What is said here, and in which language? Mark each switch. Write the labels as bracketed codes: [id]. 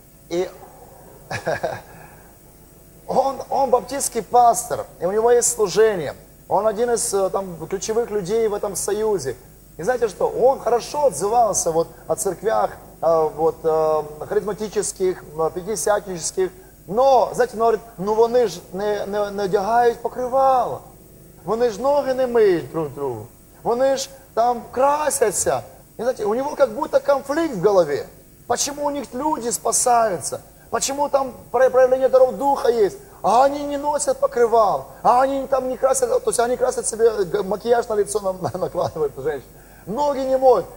[ru] И он баптистский пастор. И у него есть служение. Он один из там ключевых людей в этом союзе. И знаете что? Он хорошо отзывался вот о церквях, вот, харизматических, пятидесятнических. Но, знаете, он говорит: [uk] «Ну, вони ж не одягають покривало. Вони ж ноги не миють друг другу. Вони ж там красяться». [ru] И знаете, у него как будто конфликт в голове. Почему у них люди спасаются? Почему там проявление даров духа есть? А они не носят покрывал, а они там не красят, то есть они красят себе, макияж на лицо накладывают женщины, ноги не моют.